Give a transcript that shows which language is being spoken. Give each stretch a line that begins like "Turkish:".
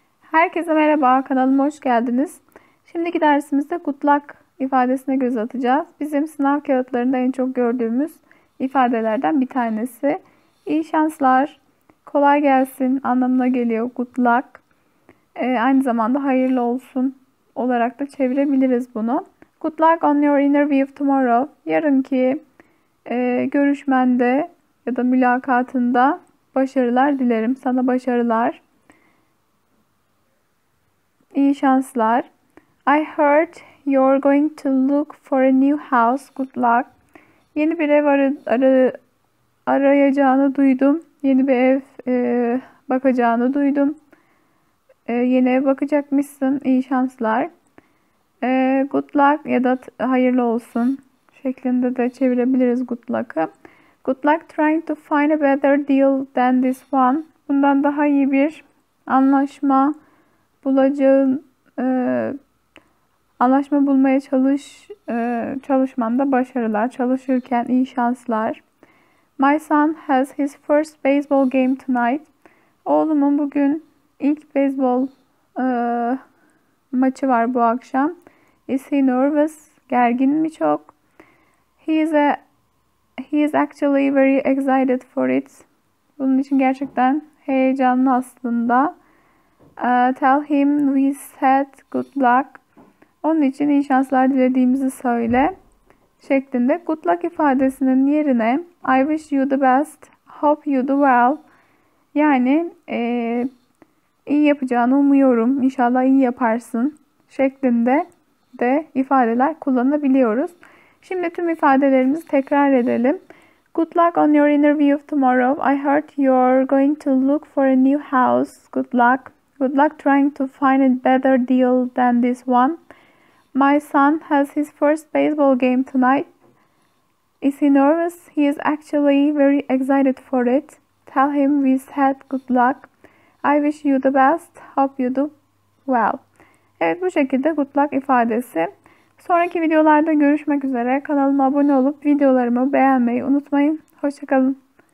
Turkish: Herkese merhaba, kanalıma hoş geldiniz. Şimdiki dersimizde good luck ifadesine göz atacağız. Bizim sınav kağıtlarında en çok gördüğümüz ifadelerden bir tanesi. İyi şanslar, kolay gelsin anlamına geliyor good luck. Aynı zamanda hayırlı olsun olarak da çevirebiliriz bunu.
English: Good luck on your interview tomorrow.
Turkish: Yarınki görüşmende ya da mülakatında başarılar dilerim. Sana başarılar. İyi şanslar.
English: I heard you're going to look for a new house. Good luck.
Turkish: Yeni bir ev arayacağını duydum. Yeni bir ev bakacağını duydum. Yeni ev bakacakmışsın. İyi şanslar. Good luck ya da hayırlı olsun şeklinde de çevirebiliriz good luck'ı.
English: Good luck trying to find a better deal than this one.
Turkish: Bundan daha iyi bir anlaşma bulacağın anlaşma bulmaya çalışmanda başarılar. Çalışırken iyi şanslar.
English: My son has his first baseball game tonight.
Turkish: Oğlumun bugün ilk beyzbol maçı var bu akşam.
English: Is he nervous?
Turkish: Gergin mi çok?
English: He is actually very excited for it.
Turkish: Bunun için gerçekten heyecanlı aslında.
English: Tell him we said good luck.
Turkish: Onun için iyi şanslar dilediğimizi söyle. Şeklinde good luck ifadesinin yerine
English: I wish you the best. Hope you do well.
Turkish: Yani iyi yapacağını umuyorum. İnşallah iyi yaparsın. Şeklinde de ifadeler kullanabiliyoruz. Şimdi tüm ifadelerimizi tekrar edelim.
English: Good luck on your interview tomorrow. I heard you're going to look for a new house. Good luck. Good luck trying to find a better deal than this one. My son has his first baseball game tonight. Is he nervous? He is actually very excited for it. Tell him we said good luck. I wish you the best. Hope you do well.
Turkish: Evet, bu şekilde good luck ifadesi. Sonraki videolarda görüşmek üzere. Kanalıma abone olup videolarımı beğenmeyi unutmayın. Hoşça kalın.